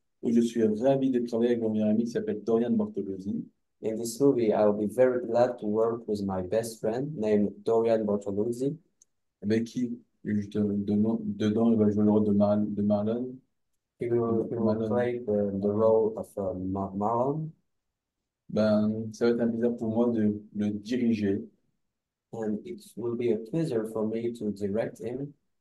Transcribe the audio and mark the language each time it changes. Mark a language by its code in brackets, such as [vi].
[fr] Où je suis ravi de travailler avec mon meilleur ami qui s'appelle Dorian Bortolozzi. [en] In this movie, I will be very glad to work with my best friend named Dorian Bortolozzi. [fr] Avec qui, dedans, il va jouer le rôle de Marlon. [en] He will play the role of Marlon. [fr] Ben, ça va être un plaisir pour moi de le diriger. [en] And it will be a pleasure for me to direct him.